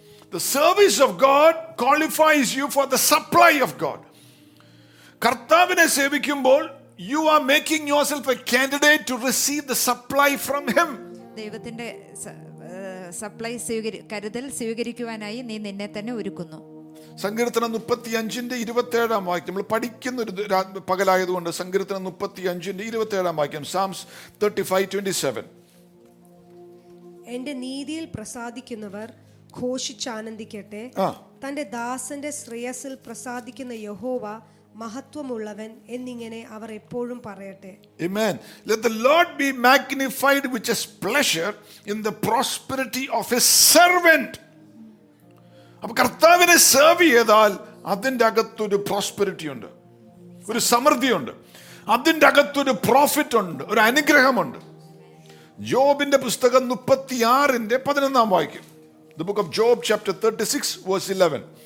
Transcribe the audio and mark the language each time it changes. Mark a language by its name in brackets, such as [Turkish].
[English] The service of God qualifies you for the supply of God. [Malayalam] കർത്താവിനെ സേവിക്കുമ്പോൾ [English] You are making your self a candidate to receive the supply from him. [Malayalam] ദൈവത്തിന്റെ supply കരുതൽ സ്വീകരിക്കുവാനായി നീ നിന്നെ തന്നെ ഒരുക്കുന്നു. സങ്കീർത്തനം 35:27 വാക്യം നമ്മൾ പഠിക്കുന്ന ഒരു പകലായത് കൊണ്ട് സങ്കീർത്തനം 35:27 വാക്യം, സാംസ് 35:27. എന്റെ നീതിയിൽ പ്രസാദിക്കുന്നവർ ഘോഷിച്ചാനന്ദിക്കട്ടെ, തന്റെ ദാസന്റെ ശ്രേയസ്സിൽ പ്രസാദിക്കുന്ന യഹോവ മഹത്വമുള്ളവൻ എന്നിങ്ങനെ അവർ എപ്പോഴും പറയട്ടെ. ആമേൻ. [English] Let the Lord be magnified with his pleasure in the prosperity of his servant. [Malayalam] അപ്പ കർത്താവിനെ സേവ് ചെയ്താൽ അതിന്റെ അകത്തൊരു പ്രോസ്പെരിറ്റി ഉണ്ട്, ഒരു സമൃദ്ധി ഉണ്ട്, അതിന്റെ അകത്തൊരു പ്രോഫിറ്റ് ഉണ്ട്, ഒരു അനുഗ്രഹമുണ്ട്. ജോബിന്റെ പുസ്തകം 36:11 വായിക്കും. [English] The book of Job chapter 36:11.